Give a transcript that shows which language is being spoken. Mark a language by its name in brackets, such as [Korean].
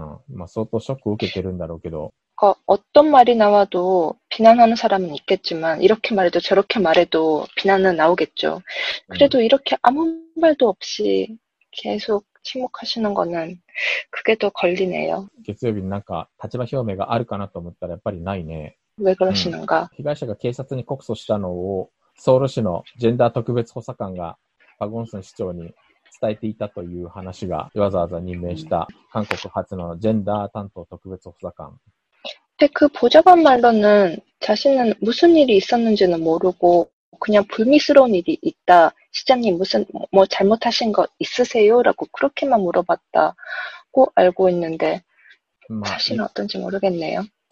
[Japanese] まあ相当ショックを受けてるんだろうけど。 [Korean] 어떤 말이 나와도 비난하는 사람은 있겠지만 이렇게 말해도 저렇게 말해도 비난은 나오겠죠. 그래도 이렇게 아무 말도 없이 계속 침묵하시는 거는 그게 더 걸리네요. [Japanese] 月曜日になんか立場表明があるかなと思ったらやっぱりないね。 [Korean] 왜 그러시는가? [Japanese] 被害者が 警察に 告訴したのを 서울시の ジェンダー特別補佐官が パゴンスン市長に 伝えていたという話が わざわざ任命した 韓国初の ジェンダー担当特別補佐官。 [Korean] 근데 그 보좌관 말로는 자신은 무슨 일이 있었는지는 모르고 그냥 불미스러운 일이 있다. 시장님 무슨 뭐 잘못하신 거 있으세요? 라고 그렇게만 물어봤다고 알고 있는데 사실은 어떤지 모르겠네요.